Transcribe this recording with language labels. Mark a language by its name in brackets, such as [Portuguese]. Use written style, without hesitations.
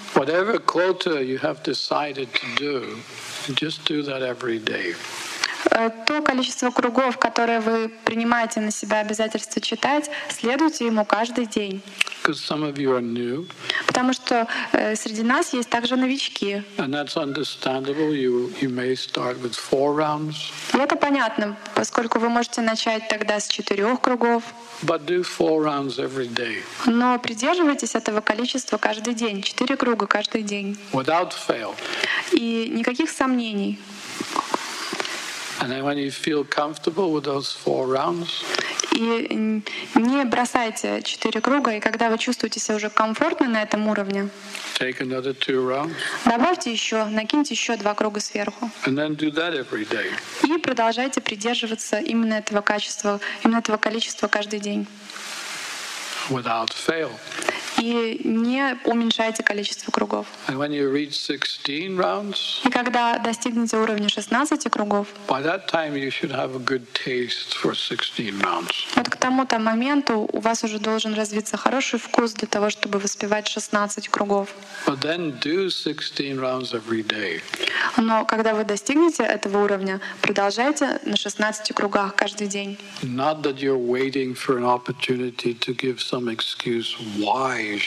[English] Whatever quota you have decided to do, just do that every day. [Russian] То количество кругов, которое вы принимаете на себя обязательство читать, следуйте ему каждый день. [English] Some of you are new. [Russian] Потому что среди нас есть также новички. [English] And that's understandable. You may start with four rounds. [Russian] И это понятно, поскольку вы можете начать тогда с четырех кругов. [English] But do four rounds every day. [Russian] Но придерживайтесь этого количества каждый день, четыре круга каждый день. [English] Without fail. [Russian] И никаких сомнений. [English] And then when you feel comfortable with those four rounds, [Russian] и не бросайте четыре круга, и когда вы чувствуете себя уже комфортно на этом уровне, [English] take another two rounds. [Russian] Добавьте еще, накиньте еще два круга сверху. [English] And then do that every day. [Russian] И продолжайте придерживаться именно этого качества, именно этого количества каждый день. [English] Without fail. [Russian] И не уменьшайте количество кругов. [English] And when you reach 16 rounds, [Russian] и когда достигнете уровня 16 кругов, [English] by that time you should have a good taste for 16 rounds. [Russian] Вот к тому-то моменту у вас уже должен развиться хороший вкус для того, чтобы воспевать 16 кругов. [English] But then do 16 rounds every day. [Russian] Но когда вы достигнете этого уровня, продолжайте на 16 кругах каждый день. [English] Not that you're waiting for an opportunity to give some excuse why.